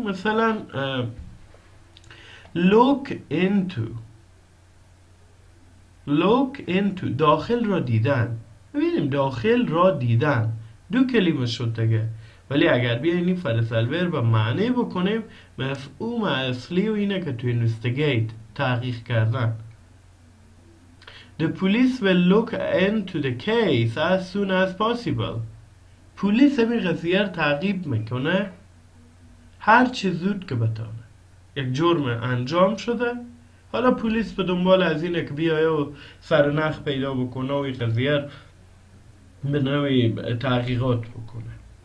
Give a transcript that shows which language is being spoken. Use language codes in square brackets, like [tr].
[fa] مثلا look into داخل را دیدن. ببینیم داخل را دیدن دو کلمه شد دیگه. ولی اگر بیاین این phrasal verb و معنی بکنیم، مفهوم اصلی و اینه که تو investigate تحقیق کردن. [en] The police will look into the case as soon as possible. [fa] پولیس همین قضیه رو تعقیب میکنه هر چه زود که بتونه. یک جرم انجام شده، حالا پولیس به دنبال از اینه که بیایه و سرنخ پیدا بکنه و این قضیه به نوعی تحقیقات بکنه.